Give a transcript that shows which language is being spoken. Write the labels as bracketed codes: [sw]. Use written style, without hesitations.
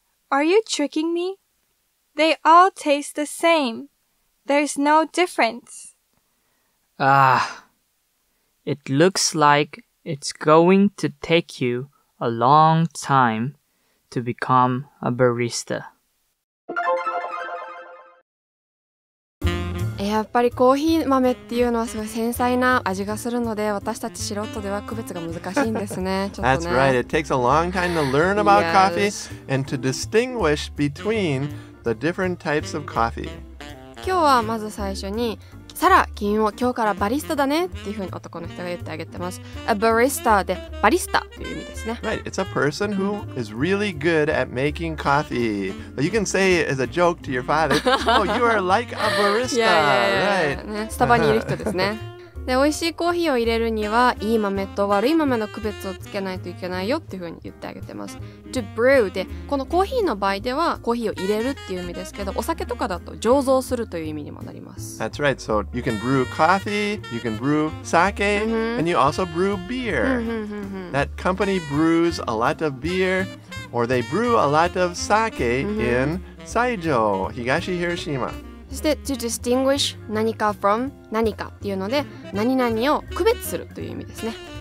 [en] Are you tricking me? They all taste the same. There's no difference. It looks like it's going to take you a long time to become a barista. [ja] やっぱりコーヒー豆っていうのはすごい繊細な味がするので、私たち素人では区別が難しいんですね。ちょっとね。 [en] That's right. It takes a long time to learn about coffee and to distinguish between the different types of coffee. [ja] 今日はまず最初に、サラ、君も今日からバリスタだねっていうふうに男の人が言ってあげてます。 A barista でバリスタという意味ですね。 [en] Right. It's a person who is really good at making coffee. You can say as a joke to your father, oh, you are like a barista. Yeah, yeah, yeah. Right. [ja] スタバにいる人ですね。で、美味しいコーヒーを入れるには、いい豆と悪い豆の区別をつけないといけないよっていうふうに言ってあげてます。 to brew で、このコーヒーの場合では、コーヒーを入れるっていう意味ですけど、お酒とかだと醸造するという意味にもなります。 [en] That's right. So you can brew coffee, you can brew sake,、mm-hmm. and you also brew beer. That company brews a lot of beer, or they brew a lot of sake in Saijo, 東Hiroshima. [ja] そして to distinguish 何か from 何かっていうので何々を区別するという意味ですね。